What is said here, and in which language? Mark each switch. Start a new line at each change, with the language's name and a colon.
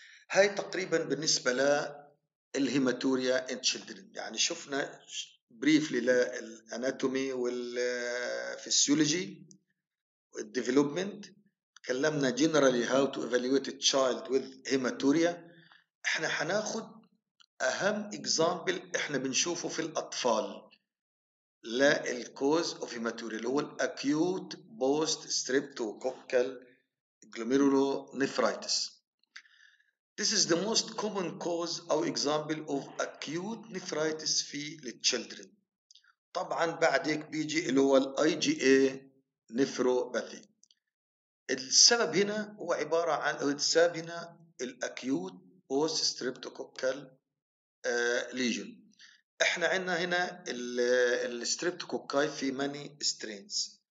Arabic: هاي تقريبا بالنسبه للهيماتوريا ان تشيلدرن، يعني شفنا بريفلي للاناتومي والفسيولوجي والديفلوبمنت، تكلمنا جنرالي
English: How to evaluate child with haematuria.
Arabic: احنا حناخد اهم اكزامبل احنا بنشوفه في الاطفال للكوز اوف هيماتوريا، اللي هو الاكيوت بوست ستريبتوكوكال جلوميرولو نيفرايتس.
English: This is the most common cause or example of acute nephritis
Arabic: في للتشيلدرن. طبعا بعدك بيجي اللي هو الـ IgA nephropathy. السبب هنا هو عبارة عن السبب هنا الـ
English: acute post streptococcal lesion.
Arabic: احنا عندنا هنا الـ streptococci في
English: many strains.